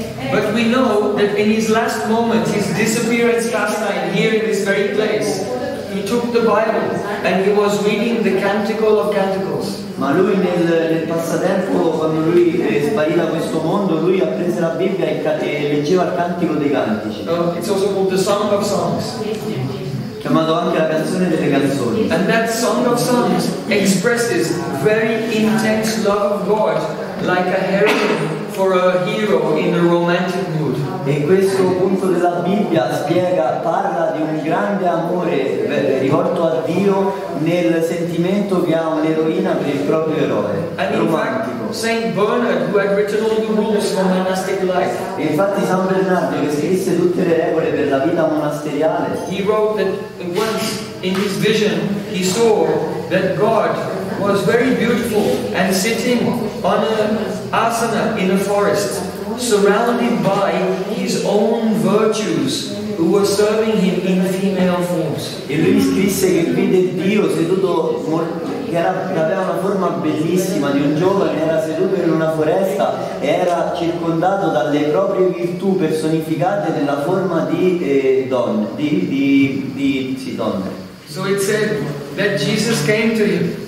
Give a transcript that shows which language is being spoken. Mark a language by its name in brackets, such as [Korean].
[English] But we know that in his last moment, his disappearance last night here in this very place, he took the Bible and he was reading the Canticle of Canticles. [Italian] Ma lui nel passatempo, quando lui sparì da questo mondo, lui ha preso la Bibbia e leggeva il Cantico dei Cantici. [English] It's also called the Song of Songs. [Italian] Chiamato anche la canzone delle canzoni. [English] And that Song of Songs expresses very intense love of God, like a heroine for a hero in a romantic mood. [Italian] E questo punto della Bibbia parla di un grande amore rivolto a Dio nel sentimento che ha un'eroina per il proprio eroe. [English] And [Italian] romantico. [English] In fact, Saint Bernard, who had written all the rules for monastic life. [Italian] E infatti San Bernardo, che scrisse tutte le regole per la vita monasteriale. [English] He wrote that once in his vision he saw that God was very beautiful and sitting on an asana in a forest, surrounded by his own virtues, who were serving him in female forms. [Italian] E lui scrisse che vide Dio seduto, che aveva una forma bellissima di un giovane, era seduto in una foresta e era circondato dalle proprie virtù personificate nella forma di donne, di donne. [English] So it said that Jesus came to him.